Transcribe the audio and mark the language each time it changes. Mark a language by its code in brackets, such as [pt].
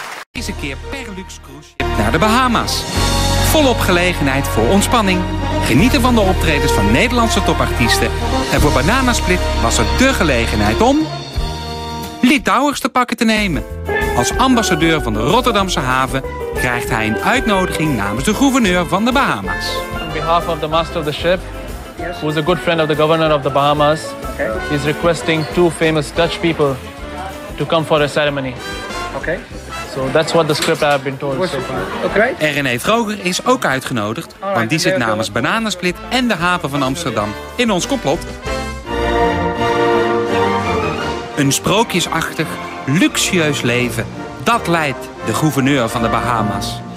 [nl] Deze keer per luxe cruise naar de Bahama's. Volop gelegenheid voor ontspanning, genieten van de optredens van Nederlandse topartiesten. En voor Bananensplit was er dé gelegenheid om Litouwers te pakken te nemen. Als ambassadeur van de Rotterdamse haven krijgt hij een uitnodiging namens de gouverneur van de Bahama's. [en] On behalf of the master of the ship, who is a good friend of the governor of the Bahama's, is requesting two famous Dutch people to come for a ceremony. Okay. So that's what the script I have been told so far. [nl] Okay. René Vroeger is ook uitgenodigd, right, want die zit namens Bananensplit en de haven van Amsterdam in ons complot. Een sprookjesachtig, luxueus leven, dat leidt de gouverneur van de Bahama's.